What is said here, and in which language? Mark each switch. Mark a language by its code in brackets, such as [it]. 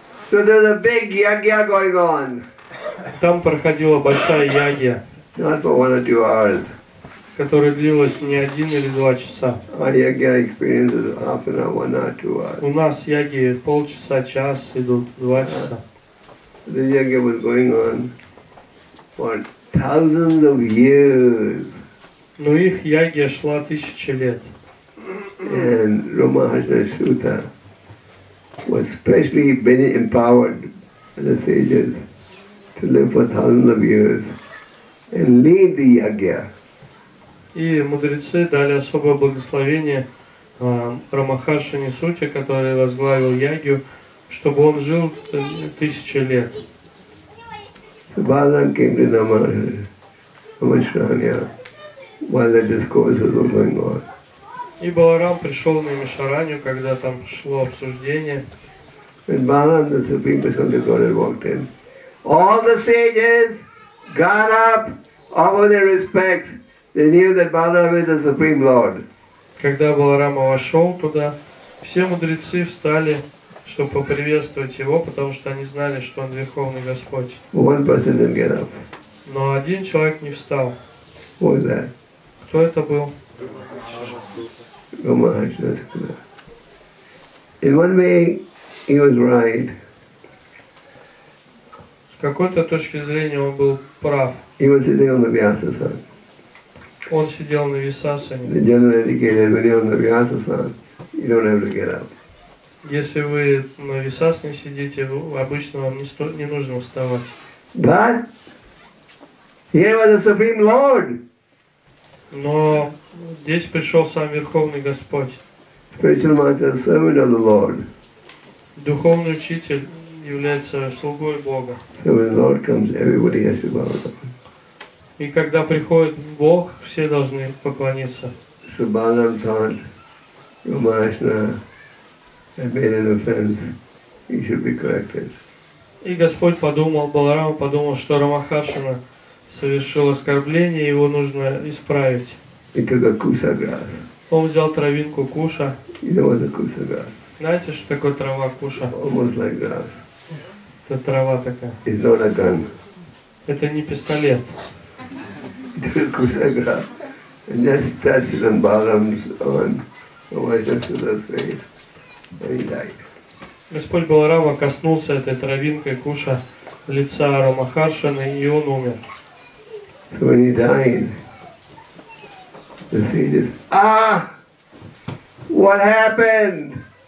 [en] So there's a big yagya going on. [ru] Там проходила большая ягья. [en] Not for one or two hours. [ru] Которая длилась не один или два часа. У нас яги полчаса, час идут, два часа. [en] The yagya was going on for thousands of years. [ru] Но их ягья шла тысячи лет. [en] And Ramahasa Sutta was specially been empowered by the sages to live for thousands of years and lead the yagya. [ru] И мудрецы дали особое благословение Рамахаршине Сутте, который возглавил ягью, чтобы он жил тысячи лет. [en] So Balaram came to Намашараня while the discourses were going on. [ru] И Баларам пришел на Намашараню, когда там шло обсуждение. [en] When Balaram, the Supreme Personality of Godhead, walked in, all the sages got up, offered their respects. They knew that Balaram is the Supreme Lord. [ru] Когда Баларама вошел туда, все мудрецы встали, чтобы поприветствовать его, потому что они знали, что он Верховный Господь. [en] One person didn't get up. [ru] Но один человек не встал. [en] Who was that? [ru] Кто это был? [en] Рамахаршина Сутта. In one way, he was right. [ru] С какой-то точки зрения он был прав. [en] He was sitting on the Vyasa. [ru] Он сидел на Висасане. [en] The general etiquette, when you're on the Vyasasana, you don't have to get up. [ru] Если вы на Висасане сидите, обычно вам не нужно вставать. [en] But here was the Supreme Lord. [ru] Но здесь пришел сам Верховный Господь. [en] Spiritual master, servant of the Lord. [ru] Духовный учитель является слугой Бога. [en] So when the Lord comes, everybody has to bow down. [ru] И когда приходит Бог, все должны поклониться. [en] So Balaram thought, Ramahasana had made an offense, he should be corrected. [ru] И Господь подумал, Баларама подумал, что Рамахаршина совершил оскорбление, его нужно исправить. [en] He took a kusa grass. [ru] Он взял травинку куша. [en] You know what a kusa grass? [ru] Знаете, что такое трава куша? [en] Almost like grass. [ru] Это трава такая. [en] It's not a gun. [ru] Это не пистолет. [en] And just touched on Balaram's own Vaishnava's face, and he died. [ru] Господь Баларама коснулся этой травинкой куша лица Рамахаршины, и он умер. [en] So when he died, the sages, what happened?